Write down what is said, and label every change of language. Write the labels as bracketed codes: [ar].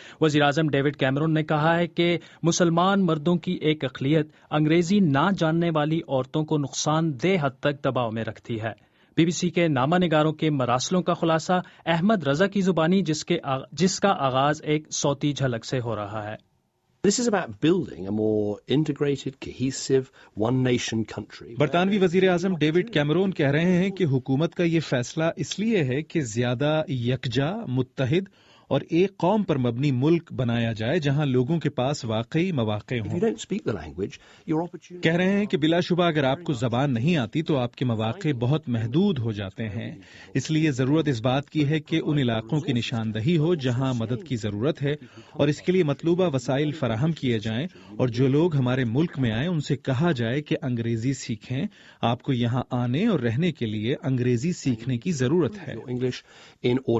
[ur] وزیراعظم David Cameroon نے کہا ہے کہ مسلمان مردوں کی ایک اقلیت انگریزی نہ جاننے والی عورتوں کو نقصان دہ حد تک دباؤ میں رکھتی ہے. بی بی سی کے نامہ نگاروں کے مراسلوں کا خلاصہ احمد رضا کی زبانی, جس کا آغاز ایک صوتی جھلک سے ہو رہا ہے. [en] This is about building a more integrated, cohesive, one nation country. [ur] برطانوی وزیر اعظم ڈیوڈ کیمرون کہہ رہے ہیں کہ حکومت کا یہ فیصلہ اس لیے ہے کہ زیادہ یکجا, متحد اور ایک قوم پر مبنی ملک بنایا جائے جہاں لوگوں کے پاس واقعی مواقع ہوں. کہہ رہے ہیں کہ بلا شبہ اگر آپ کو زبان نہیں آتی تو آپ کے مواقع بہت محدود ہو جاتے ہیں, اس لیے ضرورت اس بات کی ہے کہ ان علاقوں کی نشاندہی ہو جہاں مدد کی ضرورت ہے, اور اس کے لیے مطلوبہ وسائل فراہم کیے جائیں, اور جو لوگ ہمارے ملک میں آئیں ان سے کہا جائے کہ انگریزی سیکھیں, آپ کو یہاں آنے اور رہنے کے لیے انگریزی سیکھنے کی ضرورت ہے.